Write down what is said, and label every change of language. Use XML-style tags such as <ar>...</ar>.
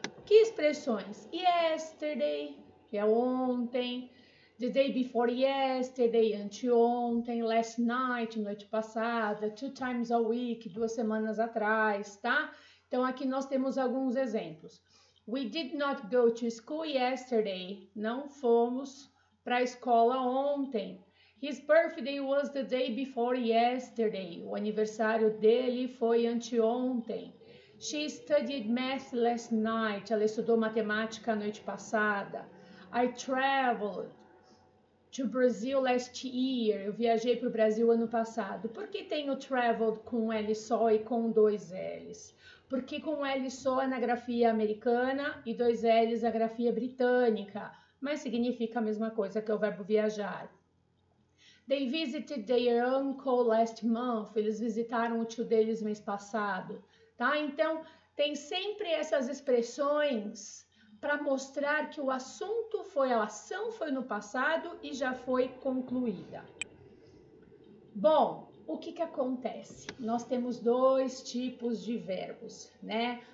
<pt>Que expressões?</pt> <en>Yesterday,</en> <pt>que é ontem.</pt> <en>The day before yesterday,</en> <pt>anteontem.</pt> <en>Last night,</en> <pt>noite passada.</pt> <en>Two times a week,</en> <pt>duas semanas atrás, tá? Então, aqui nós temos alguns exemplos.</pt> <en>We did not go to school yesterday.</en> <pt>Não fomos para a escola ontem.</pt> <en>His birthday was the day before yesterday.</en> <pt>O aniversário dele foi anteontem.</pt> <en>She studied math last night.</en> <pt>Ela estudou matemática a noite passada.</pt> <en>I traveled to Brazil last year.</en> <pt>Eu viajei para o Brasil ano passado. Por que tem o traveled com L só e com dois L's? Porque com L só é na grafia americana e dois L's na grafia britânica. Mas significa a mesma coisa que o verbo viajar.</pt> <en>They visited their uncle last month.</en> <pt>Eles visitaram o tio deles mês passado, tá? Então, tem sempre essas expressões para mostrar que o assunto foi, a ação foi no passado e já foi concluída. Bom, o que que acontece? Nós temos dois tipos de verbos, né?</pt>